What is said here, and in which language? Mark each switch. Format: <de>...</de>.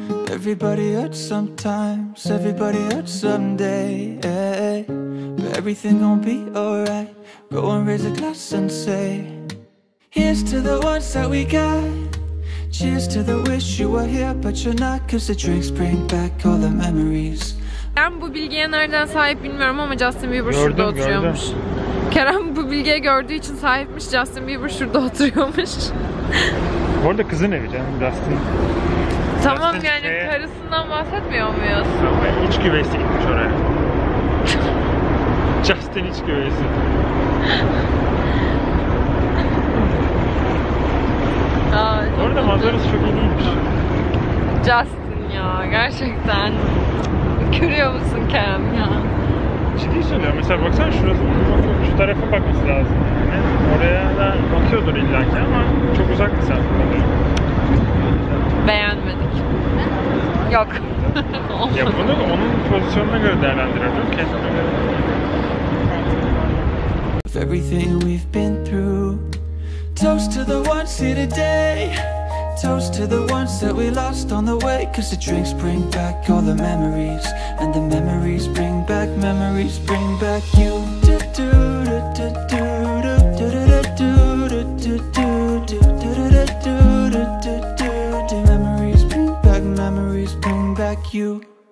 <en>Everybody hurts sometimes, everybody hurts someday, yeah. But everything gon' be alright. Go and raise a glass and say, here's to the ones that we got. Cheers to the wish you were here but you're not. Cause the drinks bring back all the memories.</en> <tr>Ben bu bilgiye nereden sahip bilmiyorum ama Justin Bieber gördüm, şurada oturuyormuş. Gördüm. Kerem bu bilgiye gördüğü için sahipmiş. Justin Bieber şurada oturuyormuş. Bu arada kızın evi canım Justin. Tamam Justin yani şeye... karısından bahsetmiyor muyuz? Ama iç güvesi gitmiş oraya. Justin iç güvesi. Aa, orada manzarası çok iyi değilmiş. Justin ya gerçekten. Görüyor musun Kerem ya? Ciddi söylüyorum. Mesela baksana şurası. Şu tarafa bakması lazım yani. Oraya da bakıyordur illaki ama çok uzak bir saat. Beğenmedik. Yok. Ya bunu onun pozisyonuna göre değerlendirelim.</tr> <en>Of everything we've been through. Toast to the ones here today. Toast to the ones that we lost on the way. Cause the drinks bring back all the memories. And the memories bring back you. Memories bring back you.</en>